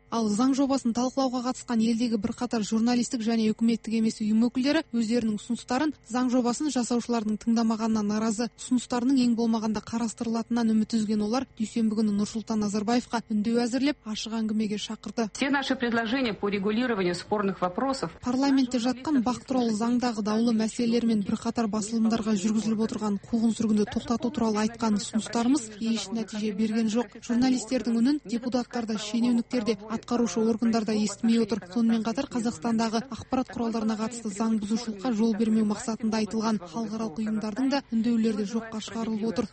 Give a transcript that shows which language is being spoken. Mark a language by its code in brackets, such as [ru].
[kk] Ал заң жобасын талқылауға қатысқан елдегі бірқатар журналистік және үкіметтік емес ұйым өкілдері өздерінің ұсыныстарын заң жобасын жасаушылардың тыңдамағанына наразы. Ұсыныстарының ең болмағанда қарастырылатынан үміт үзген олар дүйсенбі күні Нұрсұлтан Назарбаевқа үндеу әзірлеп ашық әңгімеге шақырды. [ru] Все наши предложения по регулированию спорных вопросов. [kk] Парламентте жатқан бақ туралы заңдағы даулы мәселелер мен бірқатар басылымдарға жүргізіліп отырған қуғын-сүргінді тоқтату туралы айтқан ұсыныстарымыз еш нәтиже берген жоқ. Журналистердің үнін депутаттар да, шенеуніктер де, атқарушы органдарда естімей отыр. Сонымен қатар Қазақстандағы ақпарат құралдарына қатысты заң бұзушылыққа жол бермеу мақсатында айтылған халықаралық ұйымдардың да үндеулерді жоққа шығарылып отыр.